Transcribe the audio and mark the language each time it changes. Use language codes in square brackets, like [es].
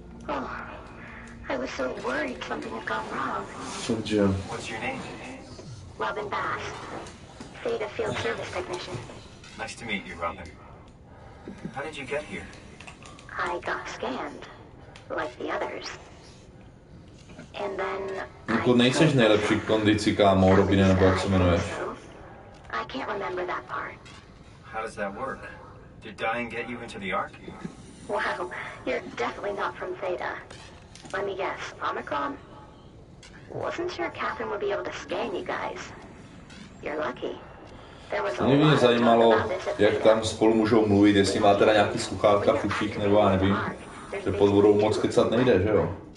[en] Oh, I was so worried something had gone wrong. So, Jim. What's your name? Robin Bass. Theta Field Service Technician. Nice to meet you, Robin. How did you get here? I got scanned, like the others. And then... [cs] Jako nejseš nejlepší kondici, kámo, Robine, nebo jak se jmenuješ. [en] I can't remember that part. How does that work? Did dying get you into the Ark? Wow, you're definitely not from Theta. Let me guess, Omicron? Wasn't sure Catherine would be able to scan you guys. You're lucky. [cs] Mě by mě zajímalo, jak tam spolu můžou mluvit, jestli má teda nějaký sluchátka v uších, nebo já nevím, že pod vodou moc kecat nejde, že jo?